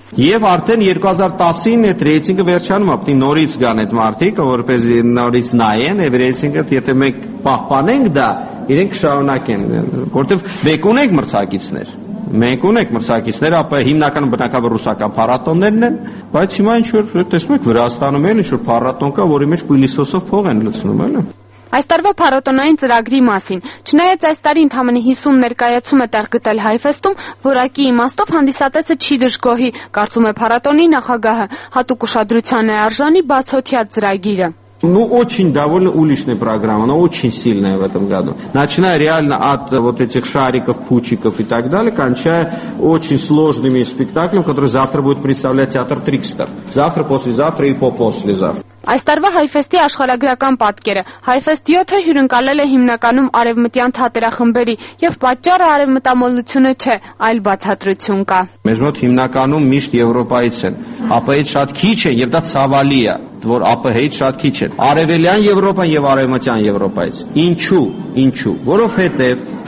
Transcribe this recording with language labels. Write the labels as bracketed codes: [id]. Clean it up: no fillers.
[hy] Եվ արդեն 2010-ին այդ ռեյտինգը վերջանում է, պետք է նորից գան այդ մարդիկ, որպեսզի նորից նայեն, եւ ռեյտինգը, եթե մենք պահպանենք դա, իրենք կշարունակեն, որտեղ բեկունենք մրցակիցներ։ Մենք ունենք մրցակիցներ, ապա հիմնական բնակավայրը ռուսական փառատոններն են, բայց հիմա ինչ որ տեսնում եք Վրաստանում էլ ինչ որ փառատոն կա, որի մեջ քուլիսոսով փող են լցնում, էլ։ Այս տարվա փառատոնային ծրագրի մասին, չնայած այս տարի ընդամենը 50 ներկայացում է տեղ գտել Հայֆեստում, որակի իմաստով հանդիսատեսը չի դժգոհի, կարծում է փառատոնի նախագահը, հատուկ ուշադրության է արժանի բացօթյա ծրագիրը։ [ru] Ну очень довольно уличная программа, она очень сильная в этом году. Начиная реально от вот этих шариков, пучиков и так далее, кончая очень сложными спектаклями, которые завтра будет представлять театр Трикстер. Завтра, послезавтра и попослезавтра. [hy] Այս տարվա Հայֆեստի աշխարհագրական պատկերը Հայֆեստ 7-ը հյուրընկալել է հիմնականում արևմտյան թատերախմբերի եւ պատճառը արևմտամոլությունը չէ, այլ բացատրություն կա։ Մեզ մոտ հիմնականում միշտ եվրոպայից են, ԱՊՀ-ից շատ քիչ են եւ դա ցավալի է, որ ԱՊՀ-ից շատ քիչ են։ Արևելյան Եվրոպան եւ արևմտյան Եվրոպայից։ Ինչու, ինչու, որովհետեւ